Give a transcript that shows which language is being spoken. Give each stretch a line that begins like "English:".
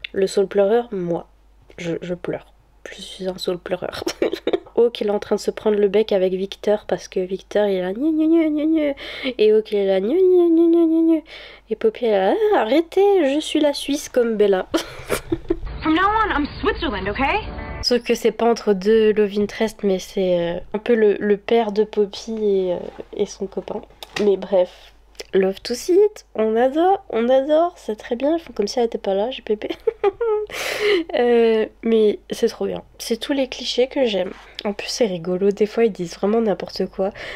French: Le saule pleureur, moi. Je pleure. Je suis un saule pleureur. Hawk, il est en train de se prendre le bec avec Victor parce que Victor, il est là. Gne, gne, gne, gne. Et Hawk, il est là. Gne, gne, gne, gne, gne. Et Poppy, elle est là. Ah, arrêtez, je suis la Suisse comme Bella.
English: From now on, I'm Switzerland, okay?
French: Sauf que c'est pas entre deux Love Interest, mais c'est un peu le père de Poppy et son copain. Mais bref,
English: love to see it,
French: on adore, c'est très bien, ils font comme si elle était pas là, j'ai pépé. mais c'est trop bien, c'est tous les clichés que j'aime. En plus c'est rigolo, des fois ils disent vraiment n'importe quoi.